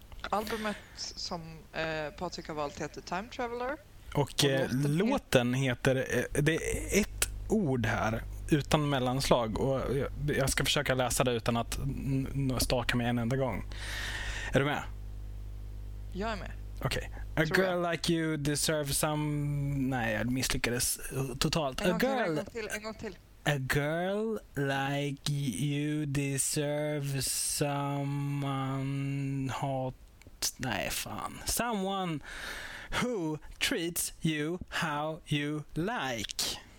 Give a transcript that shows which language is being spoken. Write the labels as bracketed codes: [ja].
[sv] Albumet som Patrik har valt heter Time Traveler. Och låten heter... Det är ett ord här utan mellanslag. Och jag ska försöka läsa det utan att staka mig en enda gång. Är du med? Jag är med. Okej. Okay. [en] A girl like you deserves some... [sv] Nej, jag misslyckades totalt. En gång till. [en] A girl like you deserves someone hot... [sv] Nej, fan. [en] Someone who treats you how you like.